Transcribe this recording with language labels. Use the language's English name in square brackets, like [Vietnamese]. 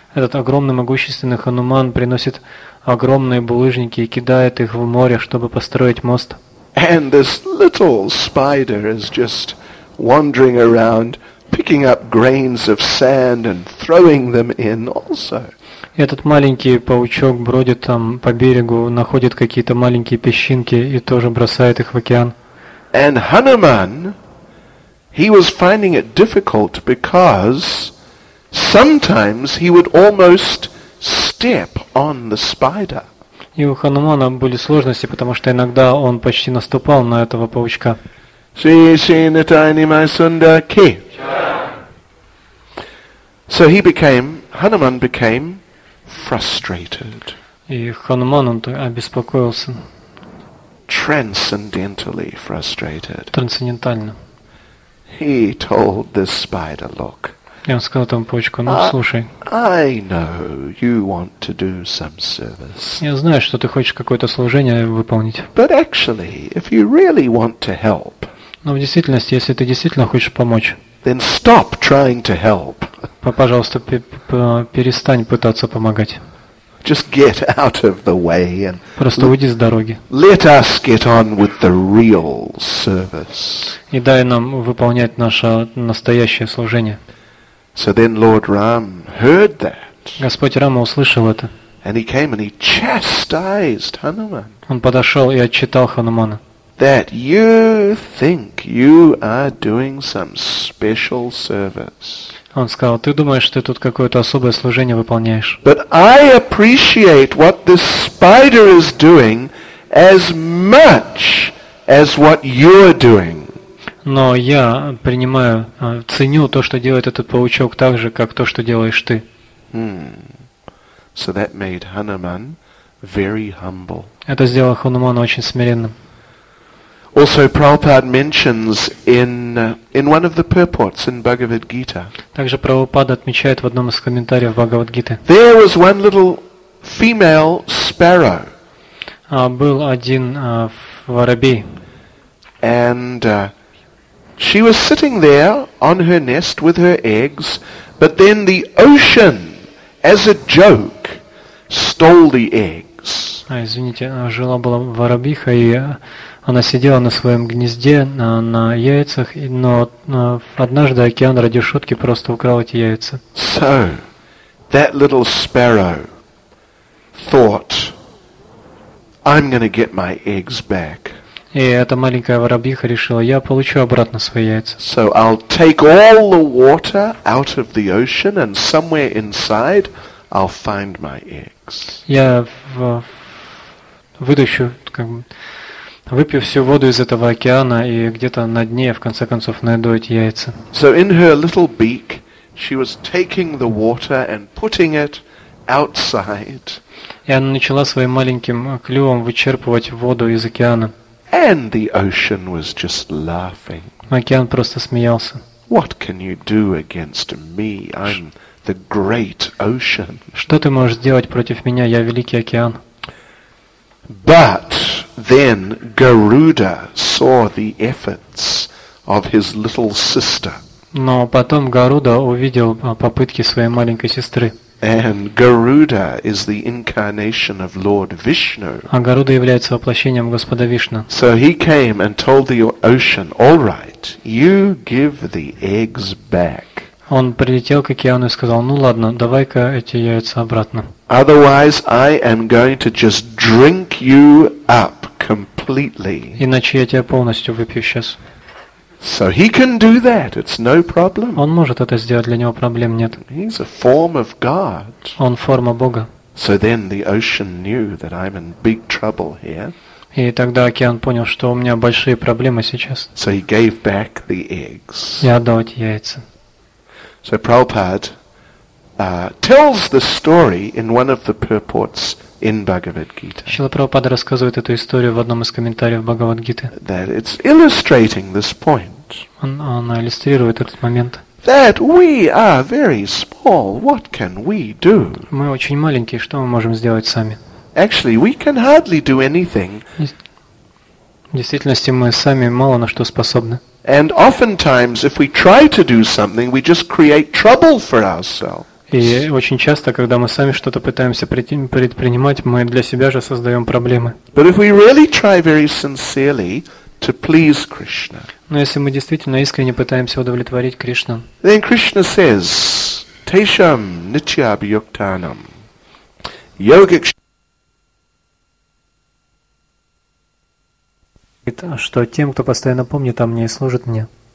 [Russian] Этот огромный, могущественный Хануман приносит огромные булыжники и кидает их в море, чтобы построить мост. [English] And this little spider is just wandering around picking up grains of sand and throwing them in also. [Russian] Этот маленький паучок бродит там по берегу, находит какие-то маленькие песчинки и тоже бросает их в океан. [English] And Hanuman, he was finding it difficult because sometimes he would almost step on the spider. [Russian] И у Ханумана были сложности, потому что иногда он почти наступал на этого паучка. [English] So he became, Hanuman became frustrated. [Russian] И Хануман он обеспокоился. [English] Transcendentally frustrated. [Russian] Трансцендентально. [English] He told the spider, look. [Russian] И он сказал этому паучку, ну слушай. [English] I know you want to do some service. [Russian] Я знаю, что ты хочешь какое-то служение выполнить. [English] But actually, if you really want to help. [Russian] Но в действительности, если ты действительно хочешь помочь. [English] Then stop trying to help. [Russian] Пожалуйста, перестань пытаться помогать. [English] Just get out of the way and [Russian] просто уйди с дороги. [English] Let us get on with the real service. [Russian] И дай нам выполнять наше настоящее служение. [English] So then Lord Ram heard that. [Russian] Господь Рама услышал это. [English] And he came and he chastised Hanuman. [Russian] Он подошел и отчитал Ханумана. [English] That you think you are doing some special service. [Russian] Он сказал, ты думаешь, что ты тут какое-то особое служение выполняешь. [English] But I appreciate what this spider is doing as much as what you're doing. [Russian] Но я принимаю, ценю то, что делает этот паучок так же, как то, что делаешь ты. [English] So that made Hanuman very humble. [Russian] Это сделало Ханумана очень смиренным. [English] Also, Prabhupada mentions in one of the purports in Bhagavad Gita. [Russian] Также Прабхупада отмечает в одном из комментариев Бхагавад Гиты. [English] There was one little female sparrow. [Russian] Был один воробей. [English] And she was sitting there on her nest with her eggs, but then the ocean, as a joke, stole the eggs. [Russian] Извините, жила была воробиха и она сидела на своем гнезде на яйцах, но однажды океан ради шутки просто украл эти яйца. [English] So that little sparrow thought, I'm going to get my eggs back. [Russian] И эта маленькая воробьиха решила, я получу обратно свои яйца. [English] So I'll take all the water out of the ocean and somewhere inside I'll find my eggs. [Russian] Я вытащу как бы. Выпью всю воду из этого океана и где-то на дне, в конце концов, найду эти яйца. [English] So in her little beak, she was taking the water and putting it outside. [Russian] И она начала своим маленьким клювом вычерпывать воду из океана. [English] And the ocean was just laughing. [Russian] Океан просто смеялся. [English] What can you do against me? I'm the great ocean. [Russian] Что ты можешь сделать против меня? Я великий океан. [English] But then Garuda saw the efforts of his little sister. [Russian] Но потом Гаруда увидел попытки своей маленькой сестры. [English] And Garuda is the incarnation of Lord Vishnu. [Russian] А Гаруда является воплощением Господа Вишну. [English] So he came and told the ocean, "All right, you give the eggs back." [Russian] Он прилетел к океану и сказал, ну ладно, давай-ка эти яйца обратно. [English] Otherwise, I am going to just drink you up completely. [Russian] Иначе я тебя полностью выпью сейчас. [English] So he can do that, it's no problem. [Russian] Он может это сделать, для него проблем нет. [English] He's a form of God. [Russian] Он форма Бога. [English] So then the ocean knew that I'm in big trouble here. [Russian] И тогда океан понял, что у меня большие проблемы сейчас. [English] So he gave back the eggs. [Russian] Я отдал эти яйца. [English] So Prabhupada tells the story in one of the purports in Bhagavad Gita. [Russian] Шрила Прабхупада рассказывает эту историю в одном из комментариев Бхагавад Гиты. [English] That it's illustrating this point. [Russian] Она иллюстрирует этот момент. [English] That we are very small. What can we do? [Russian] Мы очень маленькие. Что мы можем сделать сами? [English] Actually, we can hardly do anything. [Russian] В действительности мы сами мало на что способны. [English] And oftentimes, if we try to do something, we just create trouble for ourselves. [Russian] И очень часто, когда мы сами что-то пытаемся предпринимать, мы для себя же создаем проблемы. [English] But if we really try very sincerely to please Krishna. [Russian] Но если мы действительно искренне пытаемся удовлетворить Кришну, [English] then Krishna says, [Sanskrit] Tesham Nityab Yoktanam. Yogik. [Russian] Что тем, кто постоянно помнит о мне и служит мне.